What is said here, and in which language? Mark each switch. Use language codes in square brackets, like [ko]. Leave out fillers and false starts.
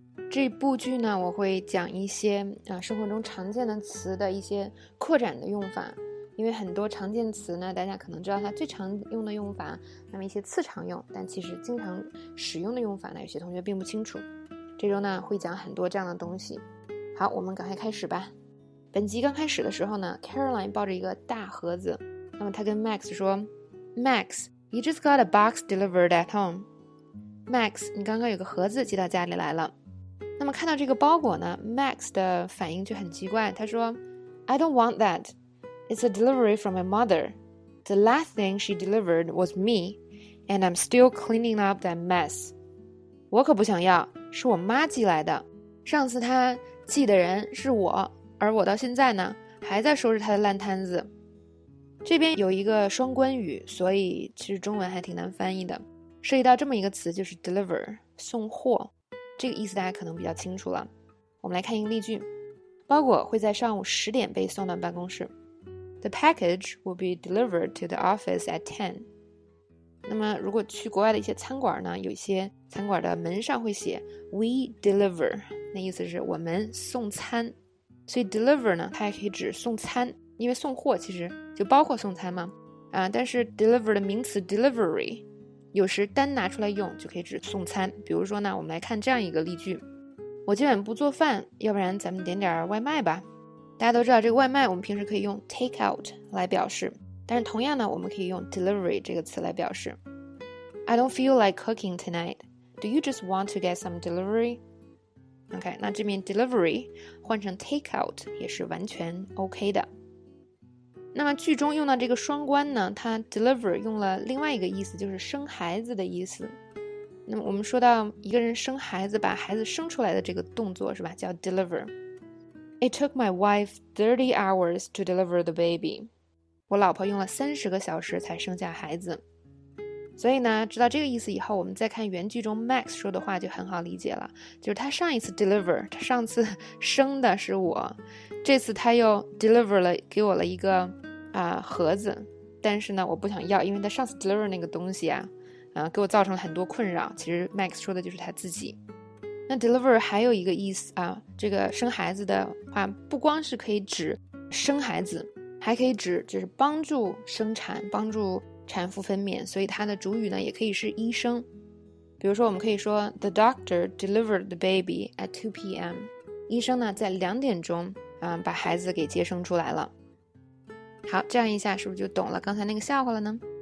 [zh] 这部剧呢，我会讲一些生活中常见的词的一些扩展的用法，因为很多常见词呢，大家可能知道它最常用的用法，那么一些次常用但其实经常使用的用法呢，有些同学并不清楚。这周呢，会讲很多这样的东西。好，我们赶快开始吧。本集刚开始的时候呢 ，Caroline 抱着一个大盒子。那么他跟 Max 说 ，Max， [en] you just got a box delivered at home。 [zh] Max， 你刚刚有个盒子寄到家里来了。那么看到这个包裹呢 ，Max 的反应就很奇怪，他说 ， [en] I don't want that. It's a delivery from my mother. The last thing she delivered was me, and I'm still cleaning up that mess. [zh] 我可不想要，是我妈寄来的。上次她寄的人是我，而我到现在呢，还在收拾她的烂摊子。这边有一个双关语，所以其实中文还挺难翻译的。涉及到这么一个词，就是 deliver， 送货。这个意思大家可能比较清楚了。我们来看一个例句：包裹会在上午十点被送到办公室。 [en] The package will be delivered to the office at 10. [zh] 那么，如果去国外的一些餐馆呢，有一些餐馆的门上会写 [en] "We deliver"， [zh] 那意思是我们送餐。所以 deliver 呢，它也可以指送餐。因为送货其实就包括送餐嘛，但是 deliver 的名词 delivery 有时单拿出来用就可以指送餐。比如说呢，我们来看这样一个例句：我今晚不做饭，要不然咱们点点外卖吧。大家都知道这个外卖我们平时可以用 take out 来表示，但是同样呢，我们可以用 delivery 这个词来表示。 [en] I don't feel like cooking tonight. Do you just want to get some delivery? [zh] OK， 那这边 delivery 换成 take out 也是完全 OK 的。那么剧中用到这个双关呢，它 deliver 用了另外一个意思，就是生孩子的意思。那么我们说到一个人生孩子，把孩子生出来的这个动作是吧，叫 deliver。 [en] It took my wife 30 hours to deliver the baby. [zh] 我老婆用了30个小时才生下孩子。所以呢，知道这个意思以后，我们再看原剧中 Max 说的话就很好理解了，就是他上一次 deliver， 他上次生的是我，这次他又 deliver 了，给我了一个盒子，但是呢我不想要，因为他上次 deliver 那个东西给我造成了很多困扰。其实 Max 说的就是他自己。那 deliver 还有一个意思这个生孩子的话，不光是可以指生孩子，还可以指就是帮助生产，帮助产妇分娩，所以它的主语呢也可以是医生。比如说我们可以说 [en] The doctor delivered the baby at 2 p.m. [zh] 医生呢在两点钟把孩子给接生出来了。好，这样一下是不是就懂了刚才那个笑话了呢？